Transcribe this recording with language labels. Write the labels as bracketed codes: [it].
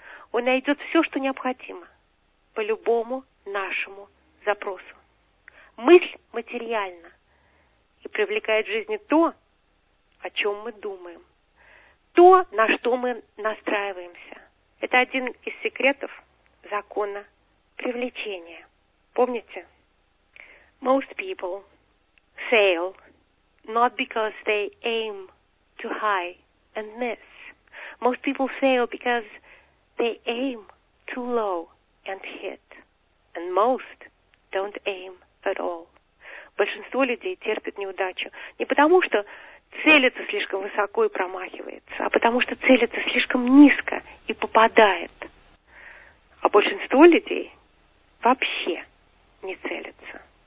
[ru] Он найдет все, что необходимо, по любому нашему запросу. Мысль материальна и привлекает в жизни то, о чем мы думаем, то, на что мы настраиваемся. Это один из секретов закона привлечения. Помните? [en] Most people fail not because they aim too high and miss. Most people fail because they aim too low and hit. And most don't aim at all. [ru] Большинство людей терпит неудачу не потому, что целится слишком высоко и промахивается, а потому что целится слишком низко и попадает. А большинство людей вообще не целится.